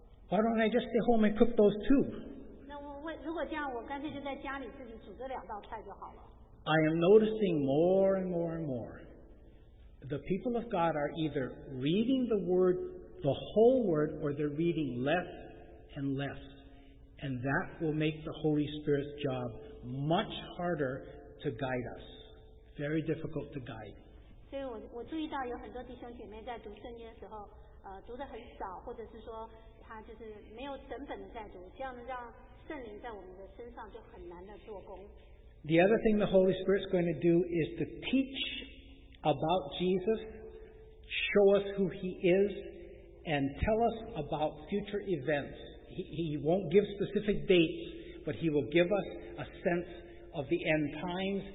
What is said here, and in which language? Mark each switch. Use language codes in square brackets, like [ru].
[en] Why don't I just stay home and cook those two? I am noticing more and more and more. The people of God are either reading the word, the whole word, or they're reading less and less. And that will make the Holy Spirit's job much harder to guide us. Very difficult to guide. [zh] 所以我注意到有很多弟兄姐妹在读圣经的时候，读得很少，或者是说他就是没有整本的在读，这样让圣灵在我们的身上就很难的做工。 [en] The other thing the Holy Spirit's going to do is to teach about Jesus, show us who He is, and tell us about future events. He won't give specific dates, but He will give us a sense of the end times.